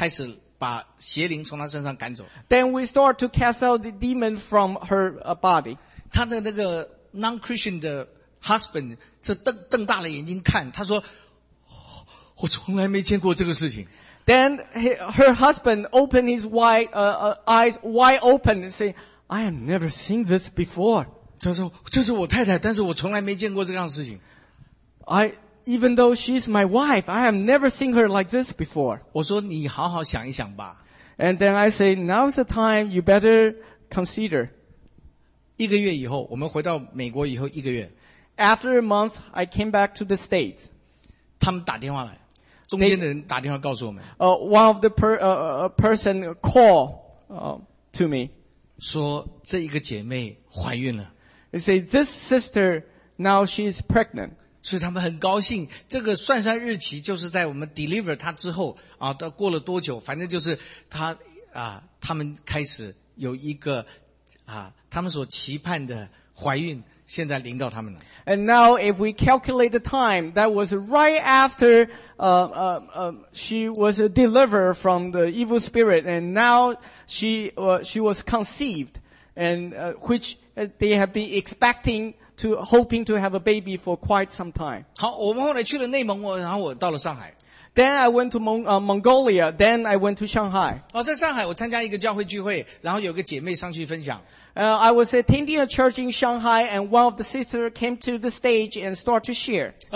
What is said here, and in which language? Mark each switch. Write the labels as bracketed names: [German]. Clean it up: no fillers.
[Chinese] 然后我们就开始把邪灵从她身上赶走。 [English] Then we start to cast out the demon from her body. [Chinese] 她的那个 non-Christian 的 husband 是瞪大了眼睛看, 他说, 我从来没见过这个事情。 [English] Then her husband opened his eyes wide open and said, I have never seen this before. [Chinese] 他说, 这是我太太, 但是我从来没见过这样的事情。 [English] Even though she's my wife, I have never seen her like this before. [Chinese] 我说你好好想一想吧。 [English] And then I say, now's the time, you better consider. [Chinese] 一个月以后, 我们回到美国以后一个月。 [English] After a month, I came back to the States. [Chinese] 他们打电话来。中间的人打电话告诉我们, [English] one of the person called to me. [Chinese] 说这一个姐妹怀孕了。 [English] They say, this sister, now she's pregnant. [Chinese] 所以他们很高兴, 这个算算日期就是在我们deliver她之后, 到过了多久, 反正就是她, 他们开始有一个, 他们所期盼的怀孕, [English] And now if we calculate the time, that was right after she was delivered from the evil spirit, and now she was conceived, and which they have been expecting to, hoping to have a baby for quite some time. [Chinese] 好，我们后来去了内蒙，然后我到了上海。 [English] Then I went to Mongolia, then I went to Shanghai. [Chinese] 在上海我参加一个教会聚会，然后有个姐妹上去分享。 [English] I was attending a church in Shanghai, and one of the sisters came to the stage and started to share.